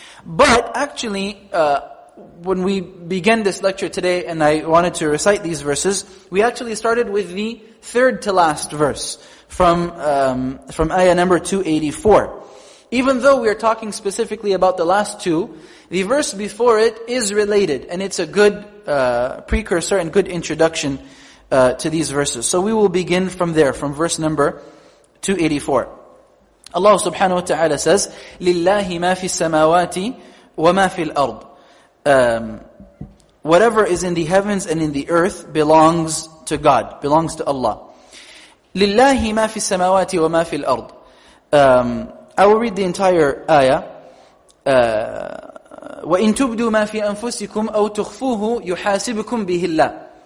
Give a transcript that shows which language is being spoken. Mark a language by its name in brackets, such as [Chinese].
[English] But actually, when we began this lecture today and I wanted to recite these verses, we actually started with the third to last verse from ayah number 284. Even though we are talking specifically about the last two, the verse before it is related, and it's a good precursor and good introduction to these verses. So we will begin from there, from verse number 284. [Arabic] Allah subhanahu wa ta'ala says, لِلَّهِ مَا فِي السَّمَاوَاتِ وَمَا فِي الْأَرْضِ. [English] Whatever is in the heavens and in the earth belongs to God, belongs to Allah. [Arabic] لِلَّهِ مَا فِي السَّمَاوَاتِ وَمَا فِي الْأَرْضِ. [English] I will read the entire ayah. [Arabic] وَإِن تُبْدُوا مَا فِي أَنفُسِكُمْ أَوْ تُخْفُوهُ يُحَاسِبُكُمْ بِهِ اللَّهِ.